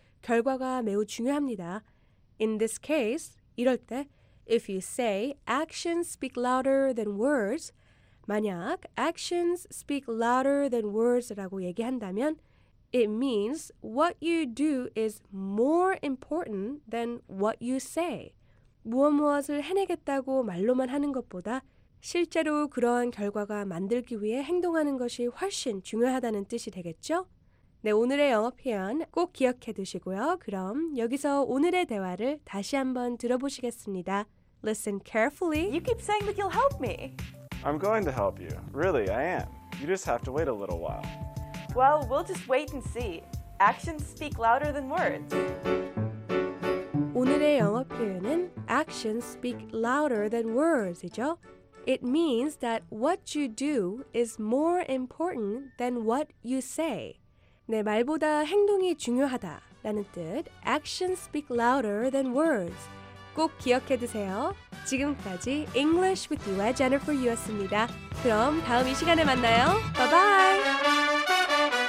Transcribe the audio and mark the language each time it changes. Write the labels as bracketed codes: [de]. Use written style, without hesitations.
[ko] 결과가 매우 중요합니다. [en] In this case, [ko] 이럴 때, [en] if you say actions speak louder than words, [ko] 만약 [en] actions speak louder than words라고 얘기한다면 It means what you do is more important than what you say. [ko] 무엇무엇을 해내겠다고 말로만 하는 것보다 실제로 그러한 결과가 만들기 위해 행동하는 것이 훨씬 중요하다는 뜻이 되겠죠? 네, 오늘의 영어 표현 꼭 기억해 두시고요. 그럼 여기서 오늘의 대화를 다시 한번 들어보시겠습니다. [en] Listen carefully. You keep saying that you'll help me. I'm going to help you. Really, I am. You just have to wait a little while. Well, we'll just wait and see. Actions speak louder than words. [ko] 오늘의 영어 표현은 [en] actions speak louder than words [ko] 이죠. [en] It means that what you do is more important than what you say. [ko] 내 말보다 행동이 중요하다라는 뜻. [en] Actions speak louder than words. [ko] 꼭 기억해 두세요. 지금까지 English with You의 Jennifer Yu였습니다. 그럼 다음 이 시간에 만나요. [en] Bye-bye.